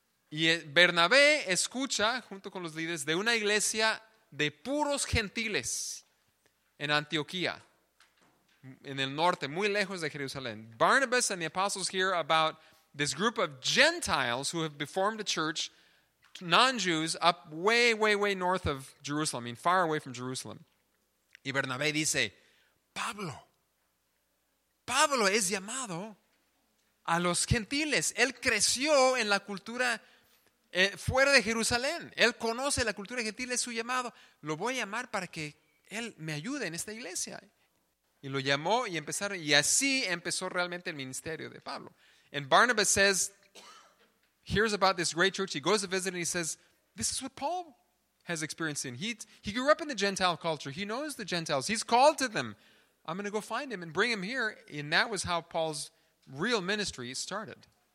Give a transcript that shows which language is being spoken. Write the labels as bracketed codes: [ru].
[es] Y Bernabé escucha, junto con los líderes, de una iglesia de puros gentiles en Antioquía, en el norte, muy lejos de Jerusalén. [en] Barnabas and the apostles hear about this group of Gentiles who have formed a church, non-Jews, up way, way, way north of Jerusalem, I mean far away from Jerusalem. [es] Y Bernabé dice, Pablo es llamado a los gentiles. Él creció en la cultura fuera de Jerusalén. Él conoce la cultura gentil, es su llamado. Lo voy a llamar para que él me ayude en esta iglesia. Y lo llamó y empezaron. Y así empezó realmente el ministerio de Pablo. [en] And Barnabas says, hears about this great church. He goes to visit and he says, this is what Paul has experienced in. He grew up in the Gentile culture. He knows the Gentiles. He's called to them. I'm going to go find him and bring him here. And that was how Paul's real ministry started.